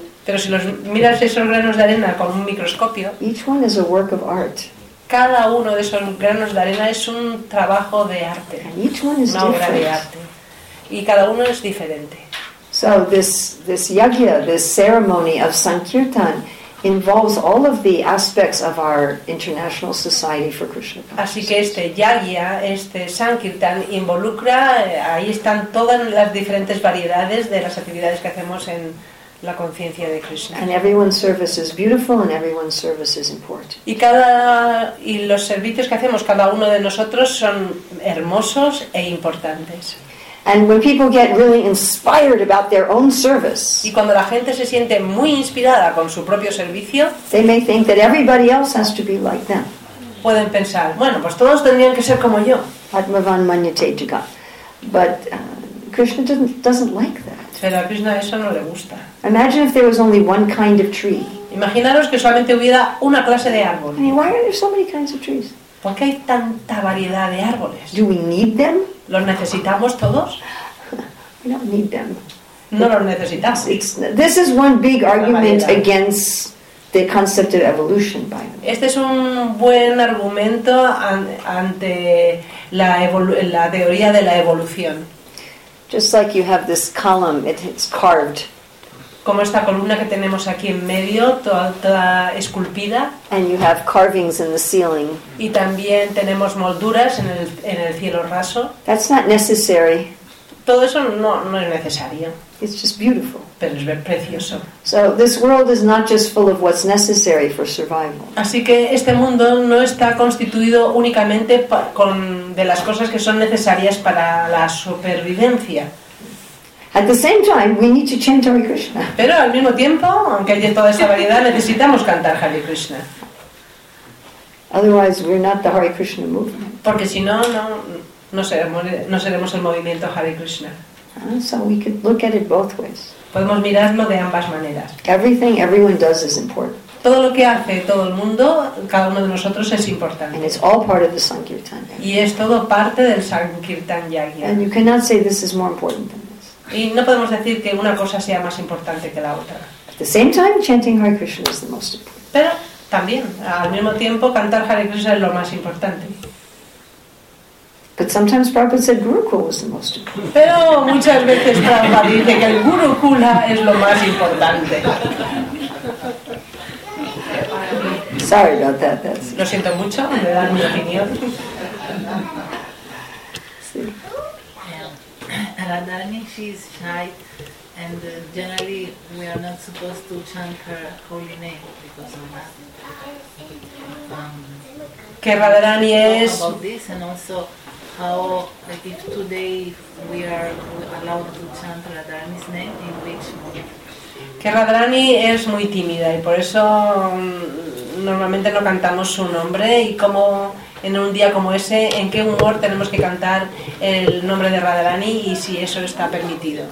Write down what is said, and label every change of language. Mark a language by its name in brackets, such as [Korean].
[Spanish] Pero si los miras esos granos de arena con un microscopio. [English] Each one is a work of art. [Spanish] Cada uno de esos granos de arena es un trabajo de arte. [English] And each one is [Spanish] una obra [English] different. [Spanish] De arte. Y cada uno es diferente. [English] So this yagya, this ceremony of sankirtan, involves all of the aspects of our International Society for Krishna Consciousness. [Spanish] Así que este yagya, este sankirtan, involucra, ahí están todas las diferentes variedades de las actividades que hacemos en la conciencia de Krishna. [English] And everyone's service is beautiful and everyone's service is important. [Spanish] Y los servicios que hacemos cada uno de nosotros son hermosos e importantes. [English] And when people get really inspired about their own service, [Spanish] y cuando la gente se siente muy inspirada con su propio servicio, [English] they may think that everybody else has to be like them. [Spanish] Pueden pensar, bueno, pues todos tendrían que ser como yo. [Sanskrit] Atmavan manyate jaga. [English] But Krishna doesn't like that. [Spanish] Pero a Krishna eso no le gusta. [English] Imagine if there was only one kind of tree. [Spanish] Imaginaros que solamente hubiera una clase de árbol. [English] I mean, why are there so many kinds of trees? [Spanish] ¿Por qué hay tanta variedad de árboles? [English] Do we need them? [Spanish] ¿Los necesitamos todos? [English] We don't need them. [Spanish] No los necesitamos. [English] This is one big argument against the concept of evolution, by the way. [Spanish] Este es un buen argumento ante la teoría de la evolución. [English] Just like you have this column, it's carved. [Spanish] Como esta columna que tenemos aquí en medio, toda esculpida. [English] And you have carvings in the ceiling. [Spanish] Y también tenemos molduras en el cielo raso. [English] That's not necessary. [Spanish] Todo eso no es necesario. [English] It's just beautiful. [Spanish] Pero es precioso. [English] So this world is not just full of what's necessary for survival. [Spanish] Así que este mundo no está constituido únicamente de las cosas que son necesarias para la supervivencia. [English] At the same time, we need to chant Hare Krishna. [Spanish] Pero al mismo tiempo, aunque haya toda esa variedad, necesitamos cantar Hare Krishna. [English] Otherwise, we're not the Hare Krishna movement. [Spanish] Porque si no, no seremos el movimiento Hare Krishna. [English] So we could look at it both ways. [Spanish] Podemos mirarlo de ambas maneras. [English] Everything everyone does is important. [Spanish] Todo lo que hace todo el mundo, cada uno de nosotros, es importante. [English] And it's all part of the sankirtan. [Spanish] Y es todo parte del sankirtan yagya. [English] And you cannot say this is more important than. [Spanish] Y no podemos decir que una cosa sea más importante que la otra. [English] At the same time, chanting Hare Krishna is the most important. [Spanish] Pero también, al mismo tiempo, cantar Hare Krishna es lo más importante. [English] But sometimes Prabhupada said Gurukula was the most important. [Spanish] Pero muchas veces Prabhupada dice que el Gurukula es lo más importante. [English] Sorry about that. That's... [Spanish] Lo siento mucho de dar mi opinión. [English] Radhani, she is shy, and generally we are not supposed to chant her holy name because of that. Que Radhani is about this, and also how, like, if today we are allowed to chant Radhani's name, in which mode? [Spanish] Que Radhani es muy tímida y por eso normalmente no cantamos su nombre, y como en un día como ese, ¿en qué humor tenemos que cantar el nombre de Radhani y si eso está permitido?